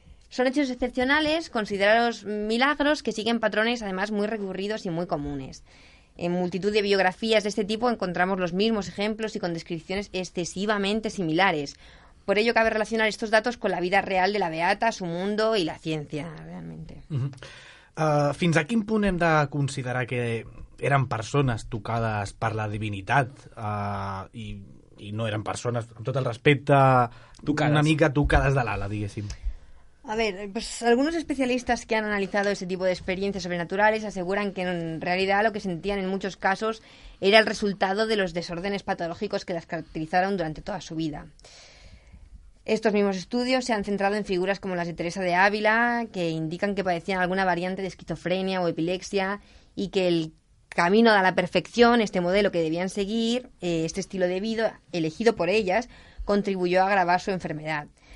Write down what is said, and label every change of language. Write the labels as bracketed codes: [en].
[es] Son hechos excepcionales, considerados milagros, que siguen patrones además muy recurridos y muy comunes. En multitud de biografías de este tipo encontramos los mismos ejemplos y con descripciones excesivamente similares. Por ello cabe relacionar estos datos con la vida real de la Beata, su mundo y la ciencia, realmente. [ca] Fins a quin punt hem de considerar que eren persones tocades per la divinitat i no eren persones, amb tot el respecte, tocades. Una mica tocades de l'ala, diguéssim? [es] A ver, pues algunos especialistas que han analizado ese tipo de experiencias sobrenaturales aseguran que en realidad lo que sentían en muchos casos era el resultado de los desórdenes patológicos que las caracterizaron durante toda su vida. Estos mismos estudios se han centrado en figuras como las de Teresa de Ávila, que indican que padecían alguna variante de esquizofrenia o epilepsia y que el camino a la perfección, este modelo que debían seguir, este estilo de vida elegido por ellas, contribuyó a agravar su enfermedad.